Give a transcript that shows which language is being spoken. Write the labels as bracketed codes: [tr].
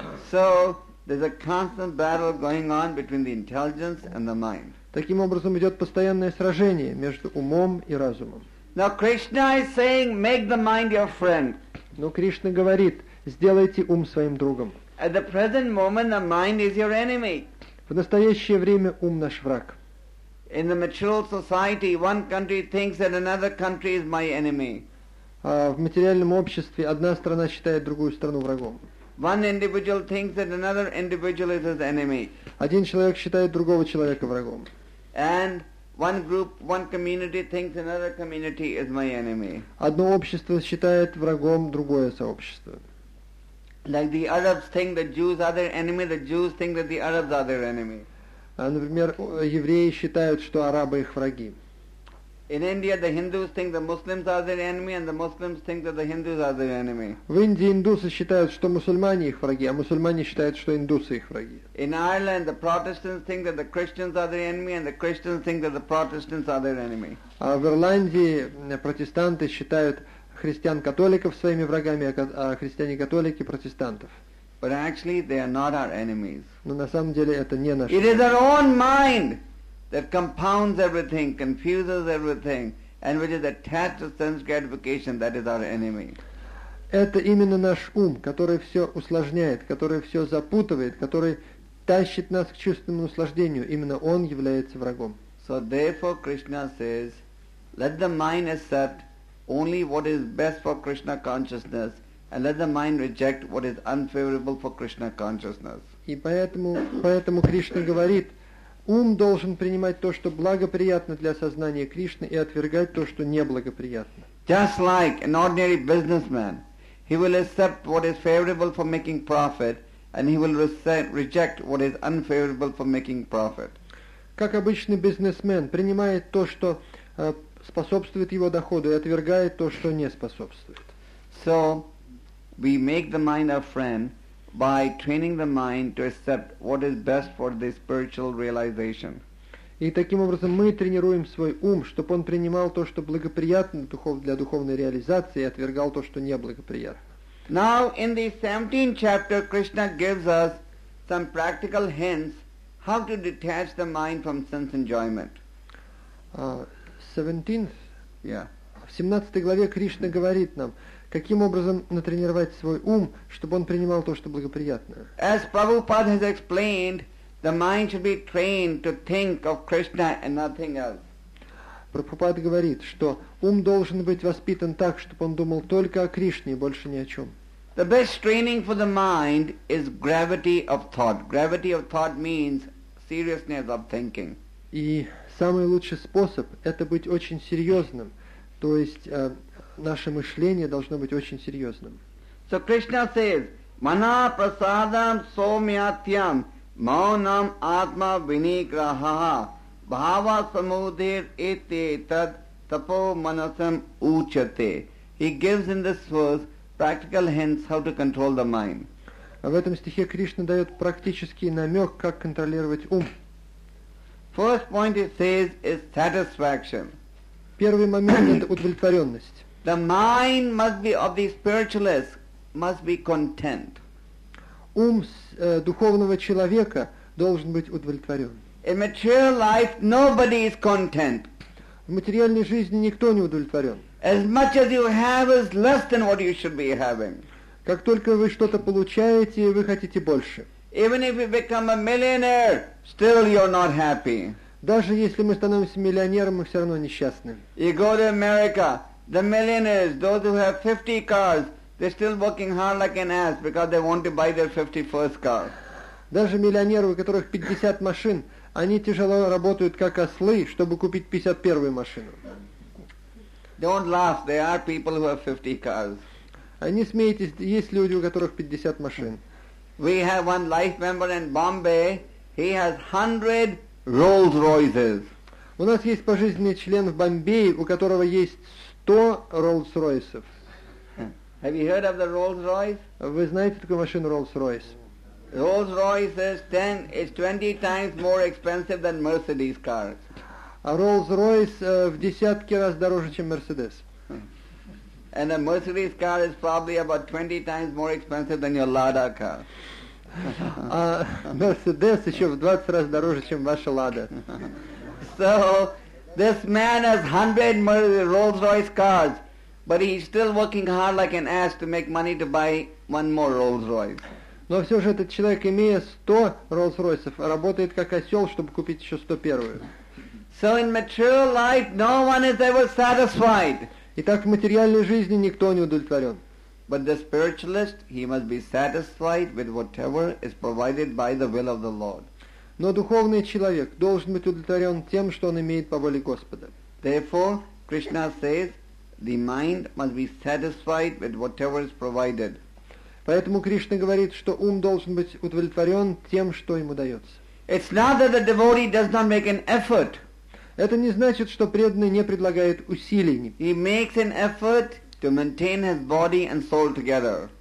[en] So, there's a constant battle going on between the intelligence and the mind. [ru] Таким образом идет постоянное сражение между умом и разумом. [en] Now Krishna is saying, make the mind your friend. [ru] Но Кришна говорит, сделайте ум своим другом. [en] At the present moment, the mind is your enemy. [ru] В настоящее время ум наш враг. [en] In the material society, one country thinks that another country is my enemy. [ru] в материальном обществе одна страна считает другую страну врагом. [en] One individual thinks that another individual is his enemy. [ru] Один человек считает другого человека врагом. [en] And one group, one community thinks another community is my enemy. [ru] Одно общество считает врагом другое сообщество. [en] Like the Arabs think the Jews are their enemy, the Jews think that the Arabs are their enemy. [ru] Например, евреи считают, что арабы их враги. [en] In India, the Hindus think the Muslims are their enemy, and the Muslims think that the Hindus are their enemy. [ru] В Индии индусы считают, что мусульмане их враги, а мусульмане считают, что индусы их враги. [en] In Ireland, the Protestants think that the Christians are their enemy, and the Christians think that the Protestants are their enemy. [ru] А в Ирландии протестанты считают христиан-католиков своими врагами, а христиане-католики протестантов. [en] But actually, they are not our enemies. [ru] Но на самом деле это не наши. [en] It is our own mind that compounds everything, confuses everything, and which is attached to sense gratification, that is our enemy. [ru] Это именно наш ум, который все усложняет, который все запутывает, который тащит нас к чувственному наслаждению. Именно он является врагом. [en] So therefore, Krishna says, let the mind accept only what is best for Krishna consciousness, and let the mind reject what is unfavorable for Krishna consciousness. [ru] И поэтому Кришна говорит, ум должен принимать то, что благоприятно для сознания Кришны, и отвергать то, что неблагоприятно. [en] Just like an ordinary businessman, he will accept what is favorable for making profit, and he will reject what is unfavorable for making profit. [ru] Как обычный бизнесмен принимает то, что способствует его доходу, и отвергает то, что не способствует. [en] So, we make the mind our friend by training the mind to accept what is best for the spiritual realization. [ru] И таким образом мы тренируем свой ум, чтобы он принимал то, что благоприятно для духовной реализации, и отвергал то, что неблагоприятно. [en] Now, in the 17th chapter, Krishna gives us some practical hints how to detach the mind from sense enjoyment. 17th? Yeah. [ru] В 17 главе Кришна говорит нам, каким образом натренировать свой ум, чтобы он принимал то, что благоприятно. [en] As Prabhupada has explained, the mind should be trained to think of Krishna and nothing else. [ru] Прабхупада говорит, что ум должен быть воспитан так, чтобы он думал только о Кришне и больше ни о чем. [en] The best training for the mind is gravity of thought. Gravity of thought means seriousness of thinking. [ru] И самый лучший способ – это быть очень серьезным, то есть наше мышление должно быть очень серьезным. [en] So Krishna says, [sa] Mana prasadam somyatyam maunam atma vinigraha bhava samudhir ete tad tapo manasam uchate. [en] He gives in this verse practical hints how to control the mind. [ru] В этом стихе Кришна дает практический намек, как контролировать ум. [en] First point he says is satisfaction. [ru] Первый момент – это удовлетворенность. [en] The mind must be of the spiritualist, must be content. [ru] Ум духовного человека должен быть удовлетворен. [en] In material life, nobody is content. [ru] В материальной жизни никто не удовлетворен. [en] As much as you have is less than what you should be having. [ru] Как только вы что-то получаете, вы хотите больше. [en] Even if you become a millionaire, still you're not happy. [ru] Даже если мы становимся миллионером, мы все равно несчастны. [en] You go to America. The millionaires, those who have 50 cars, they're still working hard like an ass because they want to buy their 51st car. [ru] Даже миллионеры, у которых 50 машин, они тяжело работают как ослы, чтобы купить 51-ю машину. [en] Don't laugh, there are people who have 50 cars. [ru] Не смейтесь, есть люди, у которых 50 машин. [en] We have one life member in Bombay, he has 100 Rolls-Royces. [ru] У нас есть пожизненный член в Бомбее, у которого есть 100 Rolls-Royces. [en] Have you heard of the Rolls-Royce? [ru] Вы знаете такую машину Rolls-Royce? [en] Rolls-Royce is 20 times more expensive than Mercedes cars. [ru] А Rolls-Royce в десятки раз дороже, чем Mercedes. [en] And a Mercedes car is probably about 20 times more expensive than your Lada car. [ru] А Mercedes еще в 20 раз дороже, чем ваша Lada. [en] So, this man has 100 Rolls-Royce cars, but he's still working hard like an ass to make money to buy one more Rolls-Royce. [ru] Но все же этот человек, имея 100 Rolls-Royces, работает как осел, чтобы купить еще 101-ю. [en] So in material life, no one is ever satisfied. [ru] Итак, в материальной жизни никто не удовлетворен. [en] But the spiritualist, he must be satisfied with whatever is provided by the will of the Lord. [ru] Но духовный человек должен быть удовлетворен тем, что он имеет по воле Господа. [en] Therefore, Krishna says, the mind must be satisfied with whatever is provided. [ru] Поэтому Кришна говорит, что ум должен быть удовлетворен тем, что ему дается. [en] It's not that the devotee does not make an effort. [ru] Это не значит, что преданный не предлагает усилий. [en] He makes an effort to maintain his body and soul together.